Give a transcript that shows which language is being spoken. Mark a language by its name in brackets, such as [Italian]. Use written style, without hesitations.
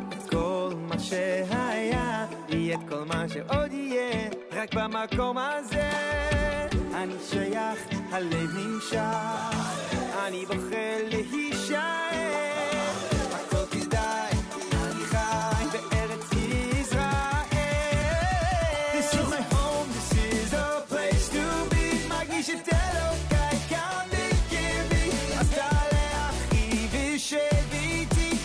[Hebrew] כל מה שהיה, יהיה את כל מה שעוד יהיה, רק במקום הזה. אני שייך, הלב נמשך, אני בוחר להישאר. הכל כדאי, אני חי בארץ ישראל. [English] This is my home, this is a place to be. [Hebrew] מרגיש את אלוקי כאן בקרבי, אז תעלה אחי ושב איתי.